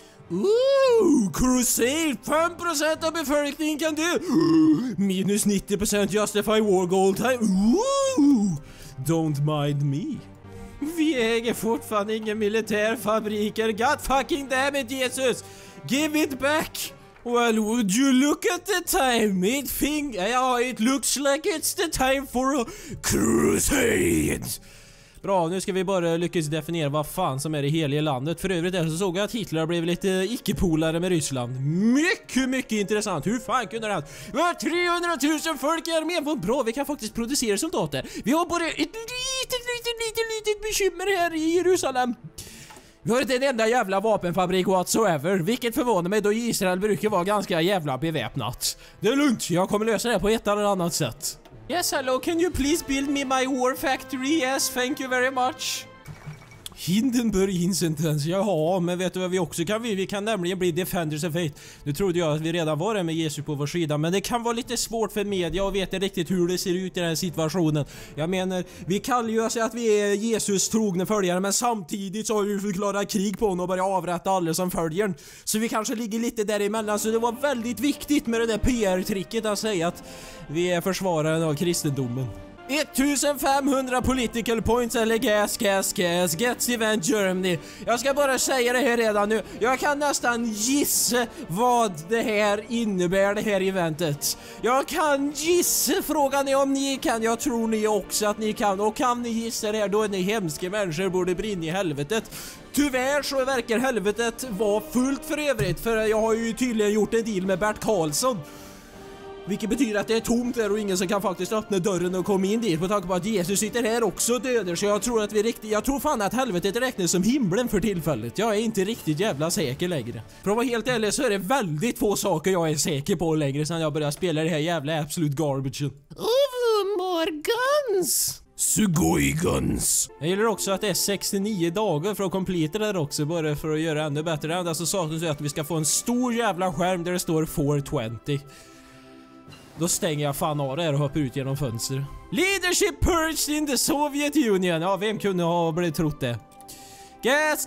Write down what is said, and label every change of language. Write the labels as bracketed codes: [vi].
[en] Ooh, crusade! [sv] 5% av befolkningen kan dö! [en] Minus 90% justify war goal time! Ooh, don't mind me. [sv] Vi äger fortfarande inga militärfabriker. [en] God fucking damn it, Jesus! Give it back! Well, would you look at the time? It looks like it's the time for a crusade! [sv] Bra, nu ska vi bara lyckas definiera vad fan som är det heliga landet. För övrigt så såg jag att Hitler blev lite icke-polare med Ryssland. Mycket, mycket intressant. Hur fan kunde det här? Vi har 300 000 folk i armén. Vad bra, vi kan faktiskt producera soldater. Vi har bara ett litet bekymmer här i Jerusalem. Vi har inte en enda jävla vapenfabrik whatsoever. Vilket förvånar mig då Israel brukar vara ganska jävla beväpnat. Det är lugnt, jag kommer lösa det på ett eller annat sätt. [en] Yes, hello, can you please build me my war factory? Yes, thank you very much. [sv] Hindenburg Incentens, jaha, men vet du vad vi också kan bli? Vi kan nämligen bli Defenders of Faith. Nu trodde jag att vi redan var det med Jesus på vår sida, men det kan vara lite svårt för media att veta riktigt hur det ser ut i den här situationen. Jag menar, vi kallar ju oss att vi är Jesus trogna följare, men samtidigt så har vi förklarat krig på honom och börjat avrätta alla som följer. Så vi kanske ligger lite däremellan, så det var väldigt viktigt med det där PR-tricket att säga att vi är försvararen av kristendomen. [en] 1500 political points eller gas, gets event Germany. [sv] Jag ska bara säga det här redan nu. Jag kan nästan gissa vad det här innebär, det här eventet. Jag kan gissa, frågan är om ni kan, jag tror ni också att ni kan. Och kan ni gissa det här, då är ni hemska människor, borde brinna i helvetet. Tyvärr så verkar helvetet vara fullt för övrigt, för jag har ju tydligen gjort en deal med Bert Karlsson. Vilket betyder att det är tomt där och ingen som kan faktiskt öppna dörren och komma in dit. På tanke på att Jesus sitter här också och döder. Så jag tror att jag tror fan att helvetet räknas som himlen för tillfället. Jag är inte riktigt jävla säker längre. För att vara helt ärlig så är det väldigt få saker jag är säker på längre sedan jag började spela det här jävla absolut garbage. Morgans! [en] Sugoi guns. [sv] Jag gillar också att det är 69 dagar för att completa det också. Bara för att göra ännu bättre. Det enda som saknas är att vi ska få en stor jävla skärm där det står 420. Då stänger jag fan av det och hoppar ut genom fönster. [en] Leadership purged in the Soviet Union. [sv] Ja, vem kunde ha blivit trott det? Gas.